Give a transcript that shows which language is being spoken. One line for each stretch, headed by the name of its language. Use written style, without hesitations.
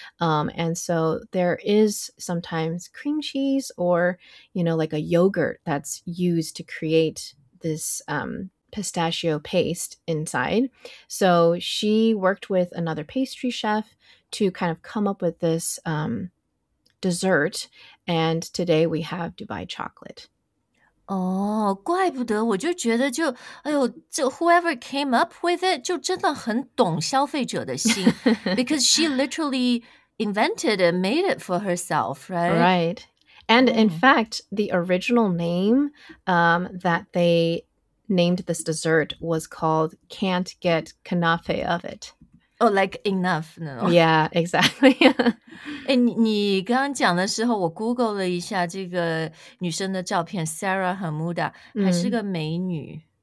English: And so there is sometimes cream cheese or, you know, like a yogurt that's used to createThis pistachio paste inside. So she worked with another pastry chef to kind of come up with this dessert. And today we have Dubai chocolate.
Chinese: Oh, 怪不得我就觉得就哎呦，就
English: whoever came up with it
Chinese: 就真的很懂消费者的心
English: because she literally invented and made it for herself, right? Right. And in fact, the original name that they named this dessert was called Can't Get Canafe of It. Oh, like enough. No. Yeah, exactly.
Chinese: 你刚刚讲的时候，我 Google 了一下这个女生的照片 ,Sarah Hamuda, 还是个美女。